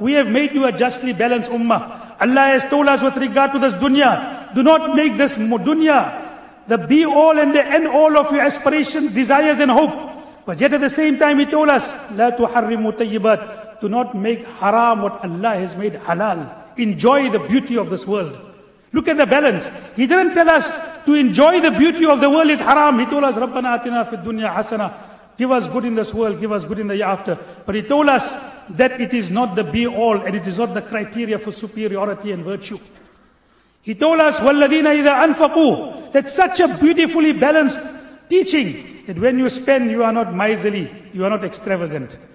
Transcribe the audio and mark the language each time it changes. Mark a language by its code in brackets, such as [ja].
[en] We have made you a justly balanced ummah. Allah has told us with regard to this dunya, do not make this dunya the be all and the end all of your aspirations, desires and hope. But yet at the same time He told us, [ar] لَا تُحَرِّمُوا طَيِّبَاتٍ. [en] Do not make haram what Allah has made halal. Enjoy the beauty of this world. Look at the balance. He didn't tell us to enjoy the beauty of the world is haram. He told us, [ar] رَبَّنَا أَتِنَا فِي الدُّنْيَا حَسَنَا. [en] Give us good in this world, give us good in the hereafter. But He told us that it is not the be-all and it is not the criteria for superiority and virtue. He told us, [ar] وَالَّذِينَ إِذَا أَنْفَقُوا. [en] That's such a beautifully balanced teaching, that when you spend, you are not miserly, you are not extravagant.